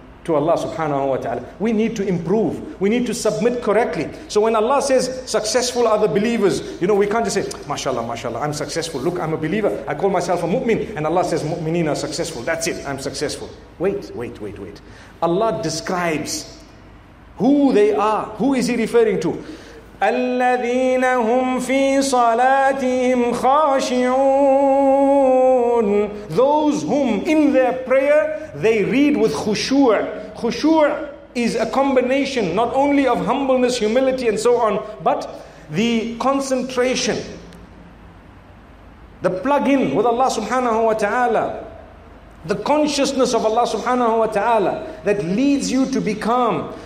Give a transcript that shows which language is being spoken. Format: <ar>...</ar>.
<en>to Allah subhanahu wa ta'ala. We need to improve. We need to submit correctly. So when Allah says, successful are the believers, you know, we can't just say, mashallah, mashallah, I'm successful. Look, I'm a believer. I call myself a mu'min. And Allah says, mu'mineen are successful. That's it. I'm successful. Wait. Allah describes who they are. Who is He referring to?</en> <ar>الذين هم في صلاتهم خاشعون.</ar> <en>Those whom in their prayer they read with khushu'. Khushu' is a combination not only of humbleness, humility and so on, but the concentration, the plug-in with Allah subhanahu wa ta'ala, the consciousness of Allah subhanahu wa ta'ala that leads you to be calm.</en>